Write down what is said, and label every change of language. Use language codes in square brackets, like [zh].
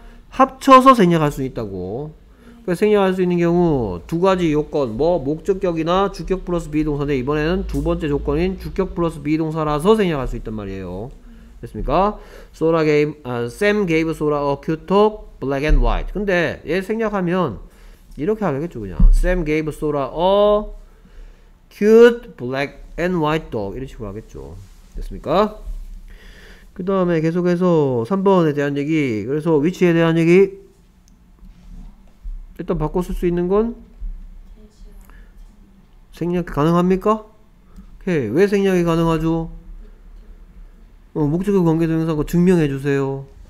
[ko] 합쳐서 생략할 수 있다고. 생략할 수 있는 경우 두 가지 요건, 뭐 목적격이나 주격 플러스 비동사인데 이번에는 두 번째 조건인 주격 플러스 비동사라서 생략할 수 있단 말이에요. 됐습니까? [en] Sora gave, Sam gave Sora a cute dog, black and white. [ko] 근데 얘 생략하면 이렇게 하겠죠, 그냥. [en] Sam gave Sora a cute black and white dog. [ko] 이런 식으로 하겠죠. 됐습니까? 그 다음에 계속해서 3번에 대한 얘기, 그래서 위치에 대한 얘기. 일단 바꿨을 수 있는 건 생략 가능합니까? 오케이. 왜 생략이 가능하죠? 목적격 관계대명사 증명해 주세요.